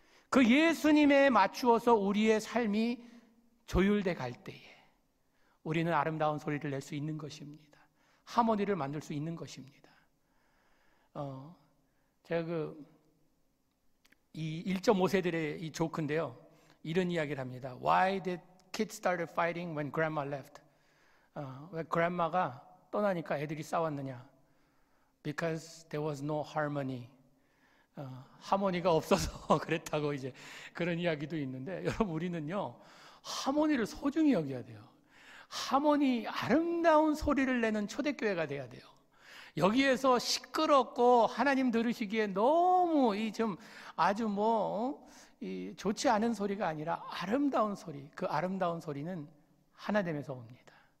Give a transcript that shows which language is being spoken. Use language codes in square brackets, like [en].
[ko] 그 예수님에 맞추어서 우리의 삶이 조율돼 갈 때에 우리는 아름다운 소리를 낼 수 있는 것입니다. 하모니를 만들 수 있는 것입니다. 제가 이 1.5세들의 이 조크인데요. 이런 이야기를 합니다. [en] Why did kids started fighting when grandma left? [ko] 왜 grandma가 떠나니까 애들이 싸웠느냐? [en] Because there was no harmony. [ko] 하모니가 없어서 그랬다고 이제 그런 이야기도 있는데, 여러분 우리는요 하모니를 소중히 여겨야 돼요. 하모니, 아름다운 소리를 내는 초대교회가 돼야 돼요. 여기에서 시끄럽고 하나님 들으시기에 너무 이 좀 아주 뭐 이 좋지 않은 소리가 아니라 아름다운 소리, 그 아름다운 소리는 하나됨에서 옵니다.